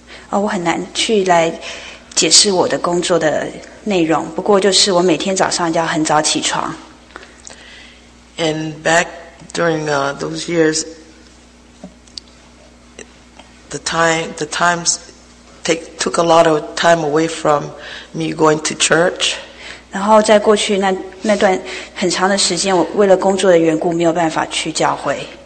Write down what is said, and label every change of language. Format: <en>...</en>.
<zh>我很难去来解释我的工作的内容，不过就是我每天早上要很早起床。</zh> <en>And back during those years, the times took a lot of time away from me going to church.</en> <zh>然后在过去那段很长的时间，我为了工作的缘故没有办法去教会。</zh>